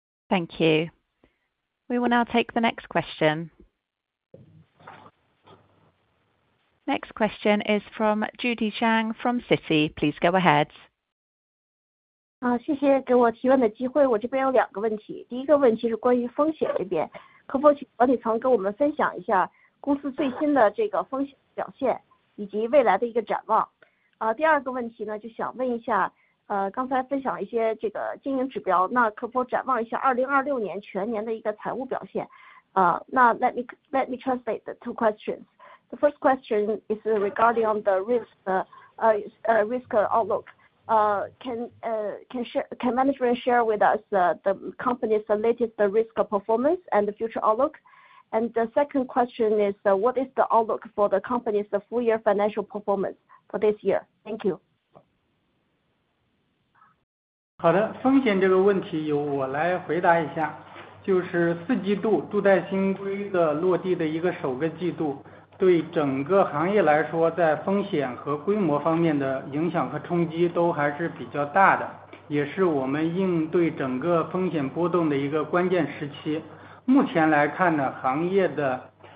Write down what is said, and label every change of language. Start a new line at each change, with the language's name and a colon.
English: Thank you. We will now take the next question. Next question is from Judy Zhang from Citi. Please go ahead.
Chinese: 谢谢给我提问的机会，我这边有两个问题。第一个问题是关于风险这边，可否请管理层给我们分享一下公司最新的这个风险表现，以及未来的一个展望。第二个问题呢，就想问一下，刚才分享一些这个经营指标，那可否展望一下2026年全年的一个财务表现？那
English: let me translate the two questions. The first question is regarding on the risk outlook. Can management share with us the company's latest risk performance and the future outlook? And the second question is, what is the outlook for the company's full year financial performance for this year? Thank you.
Chinese: 好的，风险这个问题由我来回答一下，就是四季度助贷新规的落地的一个首个季度。对整个行业来说，在风险和规模方面的影响和冲击都还是比较大的，也是我们应对整个风险波动的一个关键时期。目前来看呢，行业的